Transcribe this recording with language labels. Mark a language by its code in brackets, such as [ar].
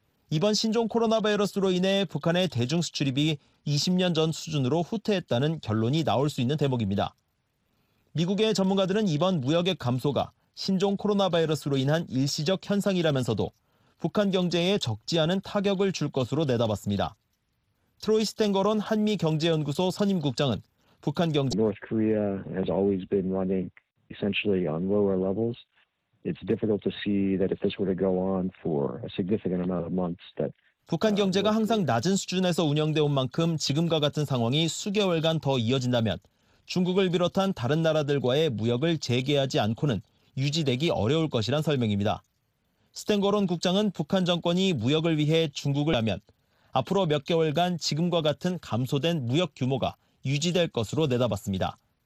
[ko] 이번 신종 코로나 바이러스로 인해 북한의 대중 수출입이 20년 전 수준으로 후퇴했다는 결론이 나올 수 있는 대목입니다. 미국의 전문가들은 이번 무역액 감소가 신종 코로나 바이러스로 인한 일시적 현상이라면서도 북한 경제에 적지 않은 타격을 줄 것으로 내다봤습니다. 트로이 스탱거론 한미경제연구소 선임국장은 북한 경제 [en] North Korea has always been running essentially on lower levels. It's difficult to see that if this were to go on for a significant amount of months that [ko] 북한 경제가 항상 낮은 수준에서 운영되어 온 만큼 지금과 같은 상황이 수개월간 더 이어진다면 중국을 비롯한 다른 나라들과의 무역을 재개하지 않고는 유지되기 어려울 것이란 설명입니다. 스탱거론 국장은 북한 정권이 무역을 위해 중국을 하면 앞으로 몇 개월간 지금과 같은 감소된 무역 규모가 유지될 것으로 내다봤습니다.